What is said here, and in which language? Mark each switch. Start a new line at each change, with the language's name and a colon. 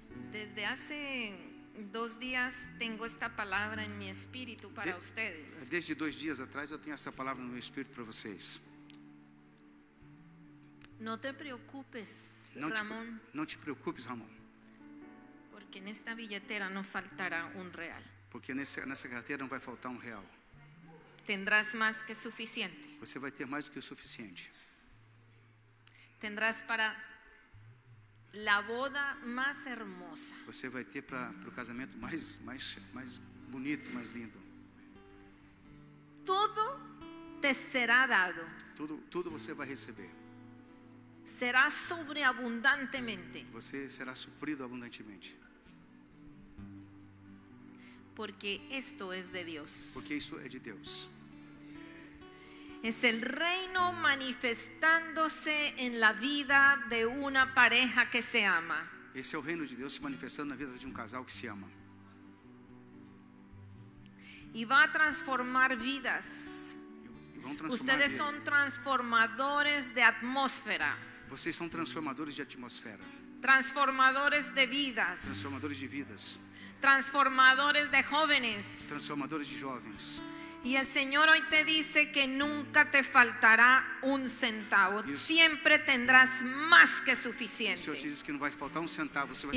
Spanish: Desde hace dos días tengo esta palabra en mi espíritu para ustedes. Desde dos días atrás yo tengo esta palabra en mi espíritu para ustedes. No te preocupes, no Ramón. No te preocupes, Ramón. Porque en esta billetera no faltará un real.
Portuguese: Porque nessa carteira não vai faltar um real.
Spanish: Tendrás más que suficiente.
Portuguese: Você vai ter mais do que o suficiente.
Spanish: Tendrás para la boda más hermosa.
Portuguese: Você vai ter para o casamento mais bonito, mais lindo.
Spanish: Todo te será dado.
Portuguese: Tudo você vai receber.
Spanish: Será sobreabundantemente.
Portuguese: Você será suprido abundantemente.
Spanish: Porque esto es de Dios.
Portuguese: Porque isso é de Deus.
Spanish: Es el reino manifestándose en la vida de una pareja que se ama.
Portuguese: Esse é o reino de Deus se manifestando na vida de um casal que se ama.
Spanish: Y va a transformar vidas. Ustedes son transformadores de atmósfera.
Portuguese: Vocês são transformadores de atmosfera.
Spanish: Transformadores de vidas.
Portuguese: Transformadores de vidas.
Spanish: Transformadores de jóvenes. Transformadores de jóvenes. Y el Señor hoy te dice que nunca te faltará un centavo.
Portuguese: Isso.
Spanish: Siempre tendrás más que suficiente. El Señor te dice que no va a faltar un centavo.
Portuguese: Você vai